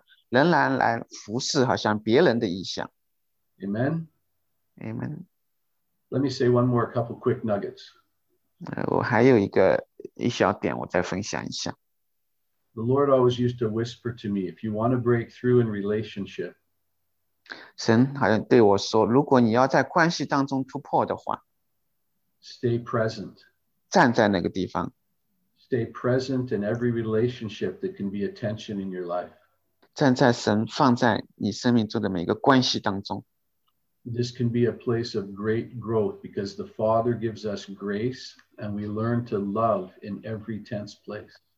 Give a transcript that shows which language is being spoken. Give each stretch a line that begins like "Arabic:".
Chinese: 有些人好像神来释放他们，但有些人神释放他们仍然来服侍好像别人的意向。
English: Amen. Amen. Let me say one more, a couple quick nuggets.
Chinese: 我还有一小点，我再分享一下。
English: The Lord always used to whisper to me, if you want to break through in relationship,
Chinese: 神好像对我说，如果你要在关系当中突破的话，
English: stay present.
Chinese: 站在那个地方。
English: Stay present in every relationship that can be a tension in your life.
Chinese: 站在神放在你生命中的每一个关系当中。
English: This can be a place of great growth because the Father gives us grace and we learn to love in every tense place.